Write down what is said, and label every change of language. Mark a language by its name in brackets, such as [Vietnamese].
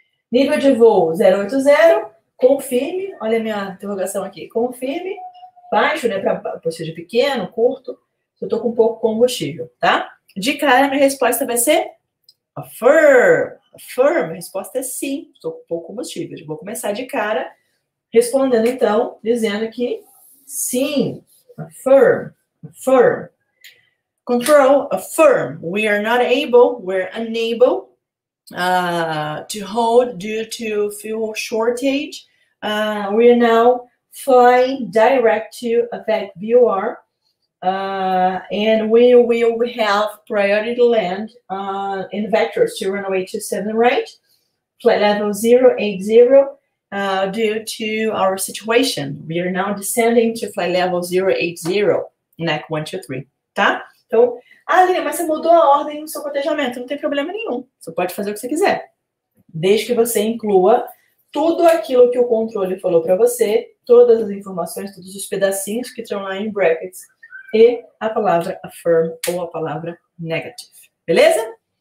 [Portuguese] Nível de voo 080, confirme, olha a minha interrogação aqui, confirme, baixo, né, para você de pequeno, curto, eu estou com pouco combustível, tá? De cara, minha resposta vai ser affirm, affirm, a resposta é sim, estou com pouco combustível. Eu vou começar de cara, respondendo então, dizendo que sim, affirm, affirm. [English] Control, affirm, we are not able, we're unable. To hold due to fuel shortage. We are now flying direct to affect VOR. And we will have priority land in vectors to runway 27 right, flight level 080 due to our situation. We are now descending to flight level 080, NEC 123. [Portuguese] Tá? Então, Aline, mas você mudou a ordem do seu cotejamento. Não tem problema nenhum. Você pode fazer o que você quiser. Desde que você inclua tudo aquilo que o controle falou para você, todas as informações, todos os pedacinhos que estão lá em brackets, e a palavra affirm ou a palavra negative. Beleza?